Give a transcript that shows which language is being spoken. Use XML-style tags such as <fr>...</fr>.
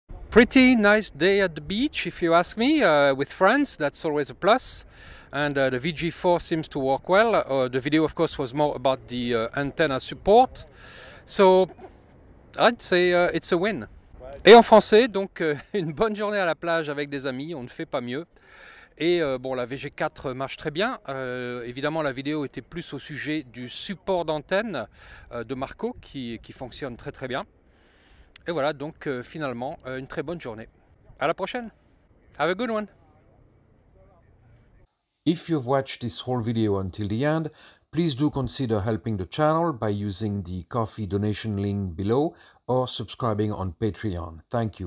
<en>Pretty nice day at the beach, if you ask me, with friends, that's always a plus. And the VG4 seems to work well. The video, of course, was more about the antenna support. So, I'd say it's a win.</en> <fr>Et en français, donc une bonne journée à la plage avec des amis, on ne fait pas mieux. Et bon, la VG4 marche très bien. Évidemment, la vidéo était plus au sujet du support d'antenne de Marco, qui fonctionne très très bien. Et voilà, donc finalement, une très bonne journée. À la prochaine.</fr> <en>Have a good one. If you've watched this whole video until the end, please do consider helping the channel by using the coffee donation link below or subscribing on Patreon. Thank you.</en>